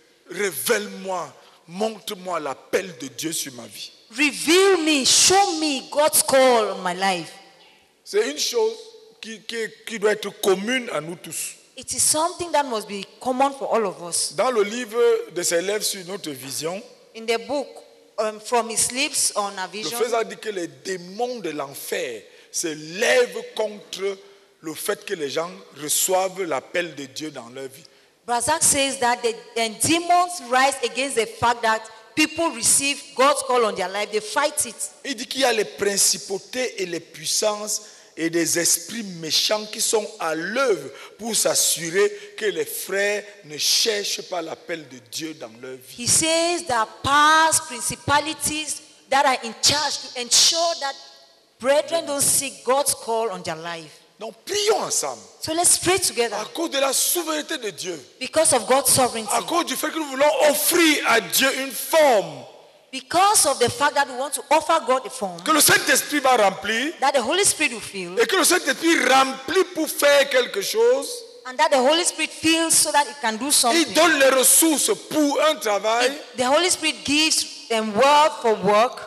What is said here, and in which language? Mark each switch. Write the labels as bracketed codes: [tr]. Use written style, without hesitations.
[fr] révèle-moi, montre-moi l'appel de Dieu sur ma vie. [en] Reveal me, show me God's call on my life. [fr] C'est une chose qui doit être commune à nous tous. [en] It is something that must be common for all of us. [fr] Dans le livre de ses lèvres sur notre vision, [en] in the book from his lips on our vision, [fr] le fait a dit que les démons de l'enfer se lèvent contre le fait que les gens reçoivent l'appel de Dieu dans leur vie. [en] Brazak says that the demons rise against the fact that people receive God's call on their life. They fight it. [fr] Il dit qu'il y a les principautés et les puissances et des esprits méchants qui sont à l'œuvre pour s'assurer que les frères ne cherchent pas l'appel de Dieu dans leur vie. [en] He says that powers, principalities that are in charge to ensure that brethren don't seek God's call on their life. [fr] Donc prions ensemble. [en] So let's pray together. [fr] À cause de la souveraineté de Dieu. [en] Because of God's sovereignty. [fr] À cause du fait que nous voulons offrir à Dieu une forme. [en] Because of the fact that we want to offer God a form. [fr] Que le Saint-Esprit va remplir. [en] That the Holy Spirit will fill. [fr] Et que le Saint-Esprit remplit pour faire quelque chose. [en] And that the Holy Spirit fills so that it can do something. [fr] Il donne les ressources pour un travail. [en] The Holy Spirit gives them work for work.